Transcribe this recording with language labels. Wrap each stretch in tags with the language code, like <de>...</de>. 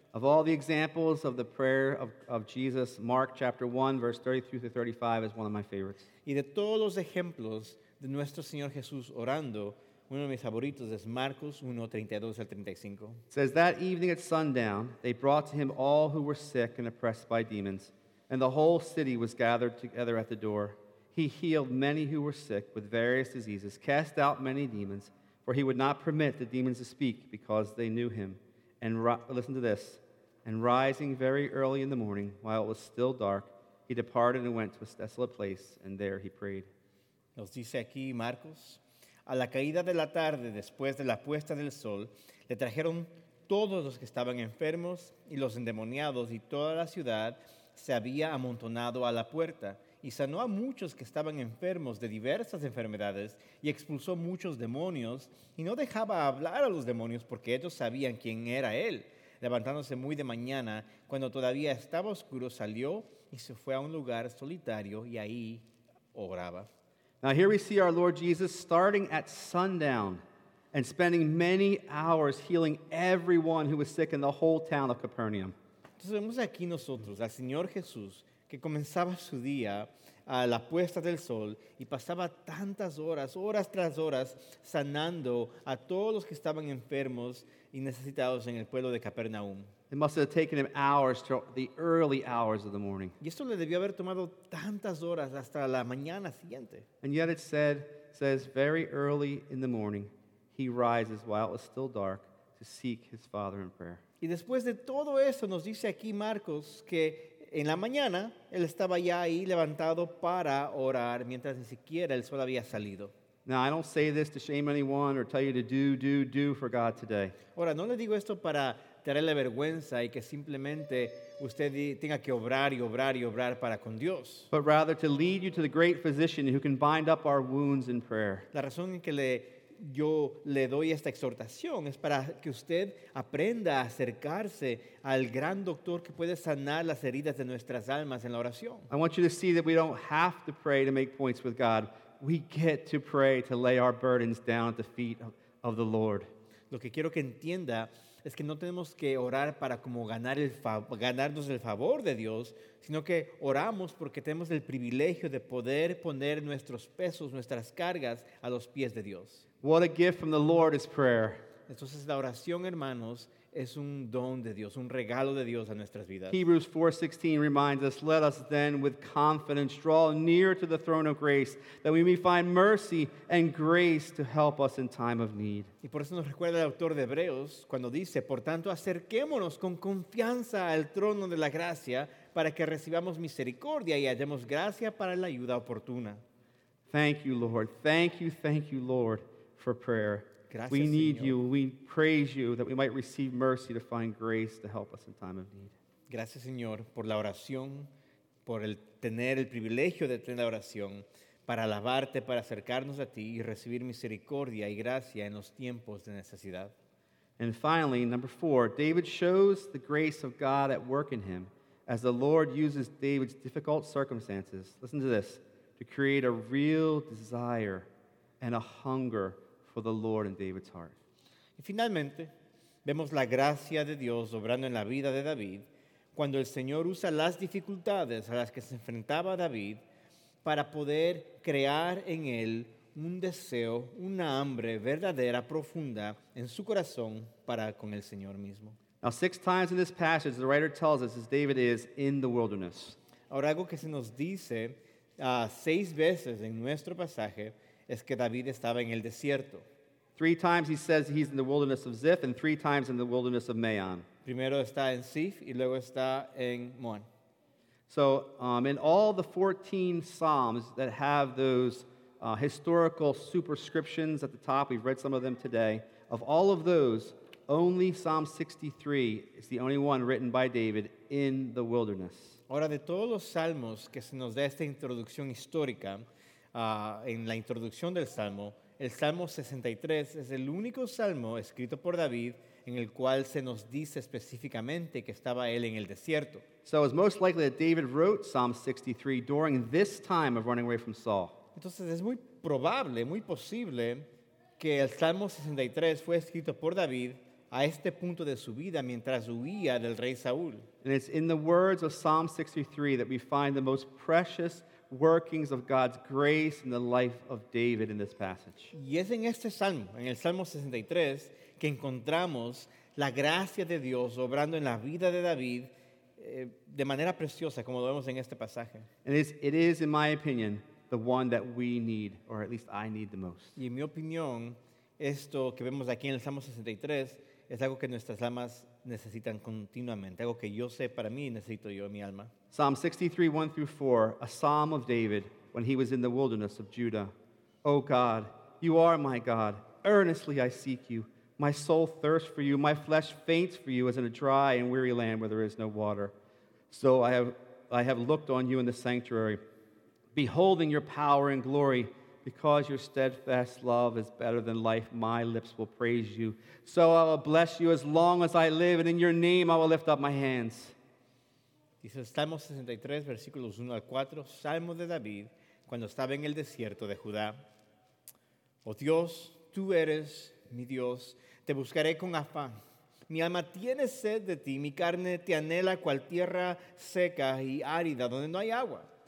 <en>Of all the examples of the prayer of Jesus, Mark chapter 1, verse 33-35 is one of my favorites.</en> <es>Y de todos los ejemplos de nuestro Señor Jesús orando, uno de mis favoritos es Marcos 1, 32-35.</es> <en>It says, that evening at sundown, they brought to him all who were sick and oppressed by demons, and the whole city was gathered together at the door. He healed many who were sick with various diseases, cast out many demons, for he would not permit the demons to speak because they knew him. And rising very early in the morning, while it was still dark, he departed and went to a desolate place, and there he prayed.</en> <es>Nos dice aquí Marcos, a la caída de la tarde, después de la puesta del sol, le trajeron todos los que estaban enfermos y los endemoniados, y toda la ciudad se había amontonado a la puerta, y sanó a muchos que estaban enfermos de diversas enfermedades, y expulsó muchos demonios, y no dejaba hablar a los demonios, porque ellos sabían quién era él. Levantándose muy de mañana, cuando todavía estaba oscuro, salió y se fue a un lugar solitario, y ahí oraba.</es> <en>Now here we see our Lord Jesus starting at sundown, and spending many hours healing everyone who was sick in the whole town of Capernaum.</en> <es>Entonces vemos aquí nosotros al Señor Jesús, que comenzaba su día a la puesta del sol y pasaba tantas horas, horas tras horas, sanando a todos los que estaban enfermos y necesitados en el pueblo de Capernaum.</es> <en>It must have taken him hours to the early hours of the morning.</en> <es>Y esto le debió haber tomado tantas horas hasta la mañana siguiente.</es> <en>And yet it says, very early in the morning, he rises while it was still dark to seek his Father in prayer.</en> <es>Y después de todo eso, nos dice aquí Marcos que en la mañana, él estaba ya ahí levantado para orar, mientras ni siquiera el sol había salido.</es> <en>Now, I don't say this to shame anyone or tell you to do for God today.</en> <es>Ahora, no le digo esto para traerle vergüenza y que simplemente usted tenga que obrar y obrar y obrar para con Dios.</es> <en>But rather to lead you to the great physician who can bind up our wounds in prayer.</en> <es>La razón en que yo le doy esta exhortación es para que usted aprenda a acercarse al gran doctor que puede sanar las heridas de nuestras almas en la oración.</es> <en>I want you to see that we don't have to pray to make points with God. We get to pray to lay our burdens down at the feet of the Lord.</en> <es>Lo que quiero que entienda es que no tenemos que orar para como ganarnos el favor de Dios, sino que oramos porque tenemos el privilegio de poder poner nuestros pesos, nuestras cargas a los pies de Dios.</es> <en>What a gift from the Lord is prayer.</en> <es>Entonces la oración, hermanos, es un don de Dios, un regalo de Dios a nuestras vidas.</es> <en>Hebrews 4:16 reminds us, let us then with confidence draw near to the throne of grace, that we may find mercy and grace to help us in time of need.</en> <es>Y por eso nos recuerda el autor de Hebreos cuando dice, por tanto, acerquémonos con confianza al trono de la gracia para que recibamos misericordia y hallemos gracia para la ayuda oportuna.</es> <en>Thank you, Lord. Thank you, Lord, for prayer.</en> <es>Gracias,</es> <en>we need</en> <es>Señor.</es> <en>You. We praise you that we might receive mercy to find grace to help us in time of need.</en> <es>Gracias, Señor, por la oración, por el tener el privilegio de tener la oración, para alabarte, para acercarnos a ti y recibir misericordia y gracia en los tiempos de necesidad.</es> <en>And finally, number 4, David shows the grace of God at work in him as the Lord uses David's difficult circumstances, listen to this, to create a real desire and a hunger for the Lord in David's heart.</en> <es>Y finalmente, vemos la gracia de Dios obrando en la vida de David cuando el Señor usa las dificultades a las que se enfrentaba David para poder crear en él un deseo, una hambre verdadera, profunda en su corazón para con el Señor mismo.</es> <en>Now, 6 times in this passage, the writer tells us as David is in the wilderness.</en> <es>Ahora, algo que se nos dice 6 veces en nuestro pasaje es que David estaba en el desierto.</es> <en>3 times he says he's in the wilderness of Ziph and 3 times in the wilderness of Maon.</en> <es>Primero está en Ziph y luego está en Maon.</es> <en>So in all the 14 psalms that have those historical superscriptions at the top, we've read some of them today, of all of those, only Psalm 63 is the only one written by David in the wilderness.</en> <es>Ahora, de todos los salmos que se nos da esta introducción histórica, en la introducción del salmo, el Salmo 63 es el único salmo escrito por David en el cual se nos dice específicamente que estaba él en el desierto.</es> <en>So it's most likely that David wrote Psalm 63 during this time of running away from Saul.</en> <es>Entonces es muy probable, muy posible que el Salmo 63 fue escrito por David a este punto de su vida mientras huía del rey Saúl.</es> <en>And it's in the words of Psalm 63 that we find the most precious workings of God's grace in the life of David in this passage.</en> <es>Y es en este salmo, en el Salmo 63, que encontramos la gracia de Dios obrando en la vida de David de manera preciosa, como lo vemos en este pasaje.</es> <en>It is, in my opinion, the one that we need, or at least I need the most.</en> <es>Y en mi opinión, esto que vemos aquí en el Salmo 63 es algo que nuestras almas necesitan continuamente, algo que yo sé para mí y necesito yo en mi alma.</es> <en>Psalm 63, 1 through 4, a psalm of David when he was in the wilderness of Judah. O God, you are my God. Earnestly I seek you. My soul thirsts for you. My flesh faints for you as in a dry and weary land where there is no water. So I have looked on you in the sanctuary, beholding your power and glory. Because your steadfast love is better than life, my lips will praise you. So I will bless you as long as I live, and in your name I will lift up my hands.</en> <es>Dice el Salmo 63, versículos 1 al 4, Salmo de David, cuando estaba en el desierto de Judá. Oh Dios, tú eres mi Dios, te buscaré con afán. Mi alma tiene sed de ti, mi carne te anhela cual tierra seca y árida donde no hay agua.</es>